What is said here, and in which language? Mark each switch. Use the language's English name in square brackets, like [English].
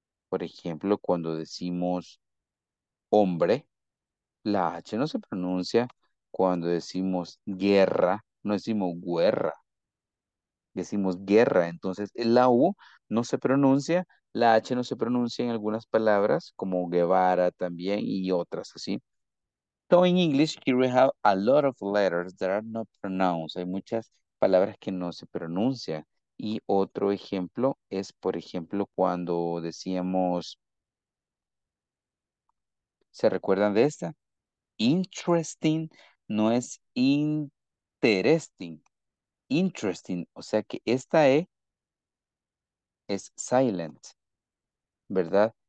[Spanish] Por ejemplo, cuando decimos hombre, la H no se pronuncia. Cuando decimos guerra, no decimos guerra. Decimos guerra. Entonces, la U no se pronuncia, la H no se pronuncia en algunas palabras, como Guevara también y otras así. [English] So, in English, here we have a lot of letters that are not pronounced. [Spanish] Hay muchas palabras que no se pronuncian. Y otro ejemplo es, por ejemplo, cuando decíamos, ¿se recuerdan de esta? Interesting no es interesting. Interesting, o sea que esta E es silent, ¿verdad?